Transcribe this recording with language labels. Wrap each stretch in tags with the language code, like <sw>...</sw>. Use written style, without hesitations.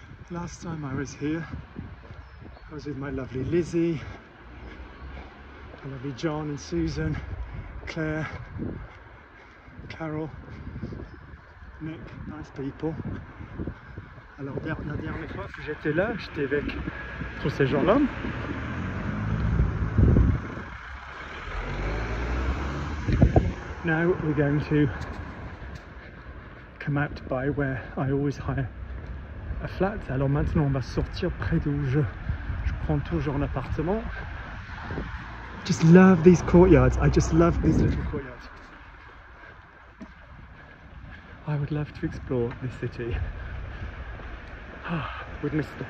<en>Last time I was here, I was with my lovely Lizzie, my lovely John and Susan, Claire, Carol, Nick, nice people.</en> <fr>Alors, la dernière fois que j'étais là, j'étais avec tous ces gens-là.</fr> <en>Now we're going to come out by where I always hire a flat.</en> <fr>Alors maintenant, on va sortir près d'où je prends toujours un appartement.</fr> <en>Just love these courtyards. I just love these little courtyards. I would love to explore this city. Ah, with Mr.</en>